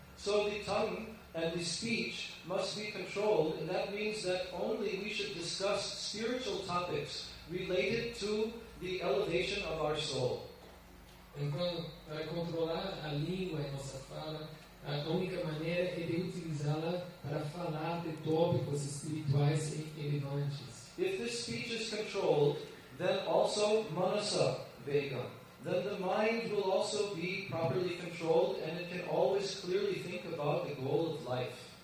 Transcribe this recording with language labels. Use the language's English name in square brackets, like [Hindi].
[English] So the tongue and the speech must be controlled, and that means that only we should discuss spiritual topics related to the elevation of our soul. [Portuguese] Então, para controlar a língua e nossa fala, a única maneira é de utilizá-la para falar de tópicos espirituais e relevantes. [English] If this speech is controlled, then also manasa vega. Then the mind will also be properly controlled and it can always clearly think about the goal of life.